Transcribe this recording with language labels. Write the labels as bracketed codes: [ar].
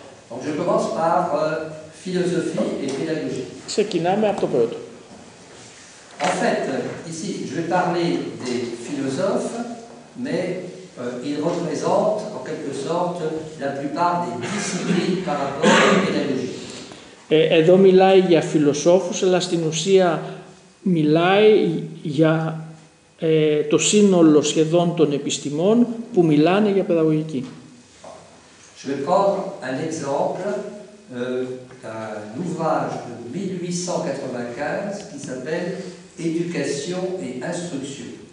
[fr] Donc je commence par philosophie et pédagogie. [el] Ξεκινάμε από το πρώτο. [fr] En fait, ici, je vais parler des philosophes, mais ils représentent, en quelque sorte, la plupart des disciplines par rapport à la pédagogie. [el] Εδώ μιλάει για φιλοσόφους, αλλά στην ουσία μιλάει για το σύνολο σχεδόν των επιστημών που μιλάνε για παιδαγωγική. [fr] Je vais prendre un exemple d'un ouvrage de 1895 qui s'appelle Éducation et Instruction.